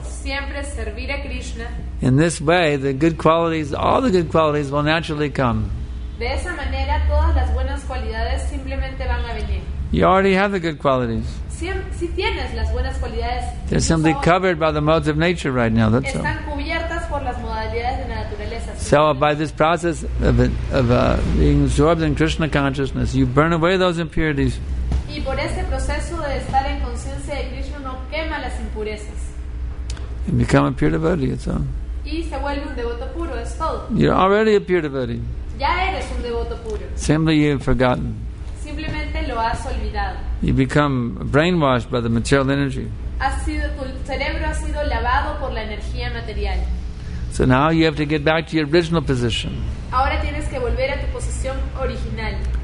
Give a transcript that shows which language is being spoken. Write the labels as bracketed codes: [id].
[es] Siempre servir a Krishna. [en] In this way, the good qualities, all the good qualities will naturally come. [es] De esa manera, todas las buenas cualidades simplemente van a venir. [en] You already have the good qualities. [es] Si tienes las buenas cualidades, [en] they're simply covered by the modes of nature right now. That's [es] están cubiertas por las modalidades de la naturaleza. [en] So by this process of being absorbed in Krishna consciousness, you burn away those impurities. [es] Y por este proceso de estar en conciencia de Krishna, uno quema las impurezas. [en] And become a pure devotee, that's all. [es] Y se vuelve un devoto puro, es todo. [en] You're already a pure devotee. [es] Ya eres un devoto puro. [en] Simply you've forgotten. [es] Simplemente lo has olvidado. [en] You become brainwashed by the material energy. [es] Tu cerebro ha sido lavado por la energía material. [en] So now you have to get back to your original position. [es] Ahora tienes que volver a tu posición original.